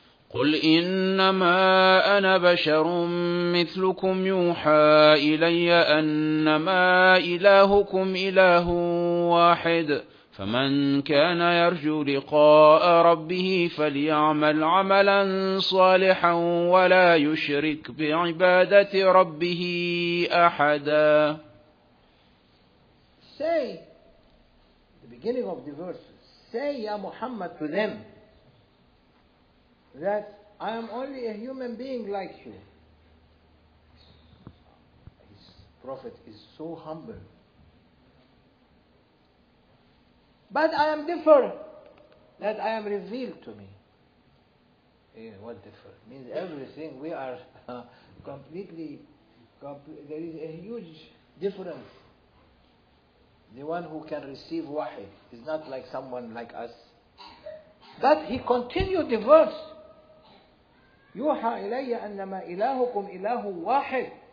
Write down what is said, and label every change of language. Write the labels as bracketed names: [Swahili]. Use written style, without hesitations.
[Arabic] قل إنما أنا بشر مثلكم يوحى إلي أنما إلهكم إله واحد فمن كان يرجو لقاء ربه فليعمل عملا صالحا ولا يشرك بعبادة ربه أحدا. [English] Say, the beginning of the verse, say يا محمد to them that I am only a human being like you. His prophet is so humble. But I am different, that I am revealed to me. What different? Means everything, we are there is a huge difference. The one who can receive wahi is not like someone like us. But he continued the verse. [Arabic] يوحى إلي أنما إلهكم إله واحد.